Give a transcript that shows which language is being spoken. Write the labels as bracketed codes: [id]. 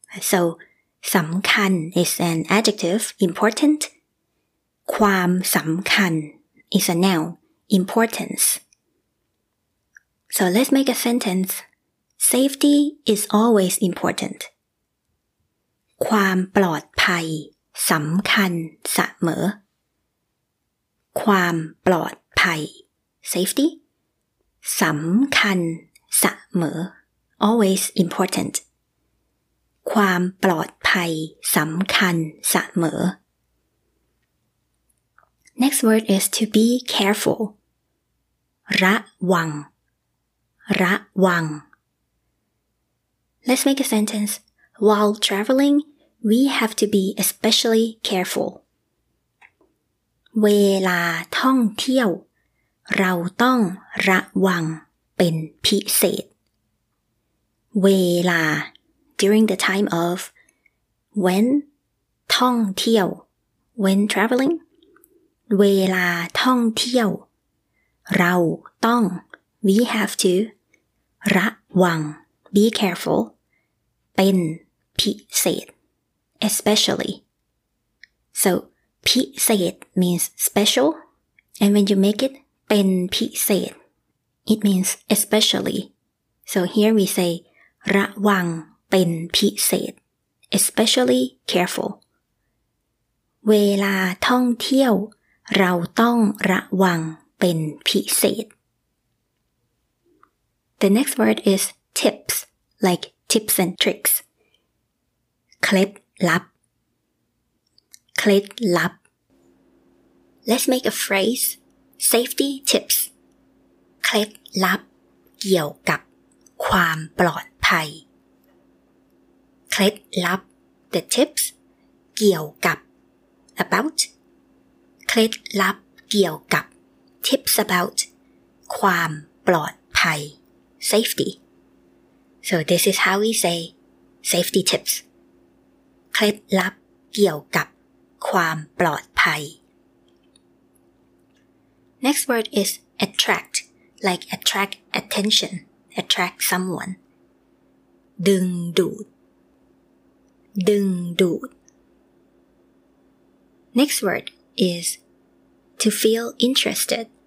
[en] So, สำคัญ is an adjective, important. [th] ความสำคัญ [en] is a noun, importance. So let's make a sentence. Safety is always important. [th] ความปลอดภัยสำคัญเสมอความปลอดภัย [en] safety [th] สำคัญเสมอ [en] always important [th] ความปลอดภัยสำคัญเสม [en] อ next word is to be careful [th] ระวังระวัง [en] let's make a sentence while traveling we have to be especially careful [th] เวลาท่องเที่ยวเราต้องระวังเป็นพิเศษเวลา [en] during the time of when ท่องเที่ยว when traveling [th] เวลาท่องเที่ยวเราต้อง [en] we have to [th] ระวัง [en] be careful [th] เป็นพิเศษ [en] especially soพิเศษ means special, and when you make it เป็นพิเศษ it means especially. So here we say [th] ระวังเป็นพิเศษ [en] especially careful. [th] เวลาท่องเที่ยวเราต้องระวังเป็นพิเศษ [en] The next word is tips, like tips and tricks. [th] เคล็ดลับเคล็ดลับ [en] Let's make a phrase safety tips [th] เคล็ดลับเกี่ยวกับความปลอดภัยเคล็ดลับ [en] the tips [th] เกี่ยวกับ [en] about [th] เคล็ดลับเกี่ยวกับ [en] tips about [th] ความปลอดภัย [en] safety so this is how we say safety tips [th] เคล็ดลับเกี่ยวกับความปลอดภัย [en] Next word is attract like attract attention attract someone [th] ดึงดูดดึงดูด [en] Next word is to feel interested